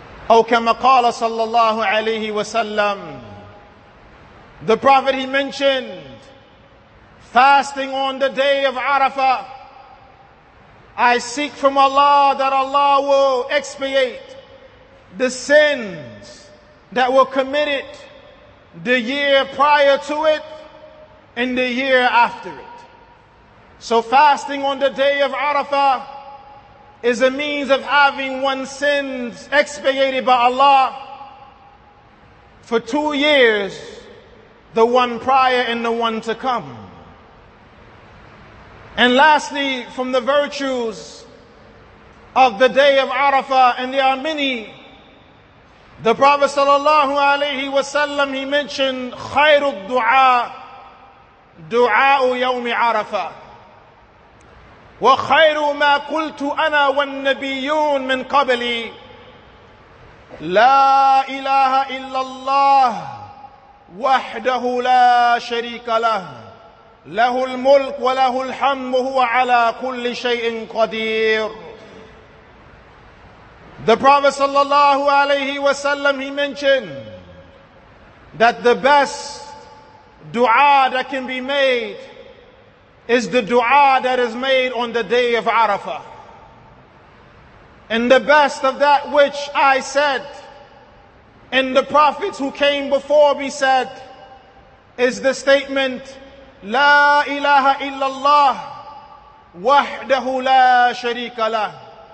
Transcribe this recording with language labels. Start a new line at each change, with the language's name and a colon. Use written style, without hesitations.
Arabic: أو كما قال صلى الله عليه وسلم.
English: The Prophet, he mentioned, fasting on the day of Arafah, I seek from Allah that Allah will expiate the sins that were committed the year prior to it and the year after it. So fasting on the day of Arafah is a means of having one's sins expiated by Allah for 2 years, the one prior and the one to come. And lastly, from the virtues of the day of Arafah, and there are many, the Prophet sallallahu alaihi wasallam, he mentioned,
Arabic: khayrul du'a, du'a yawm Arafah. وخير ما قلت أنا والنبيون من قبلي لا إله إلا الله وحده لا شريك له له الملك وله الحمد وهو على كل شيء قدير.
English: The Prophet
Arabic: صلى الله عليه وسلم,
English: he mentioned that the best dua that can be made is the dua that is made on the day of Arafah. And the best of that which I said, and the prophets who came before me said, is the statement,
Arabic: La ilaha illallah, wahdahu la sharika lah.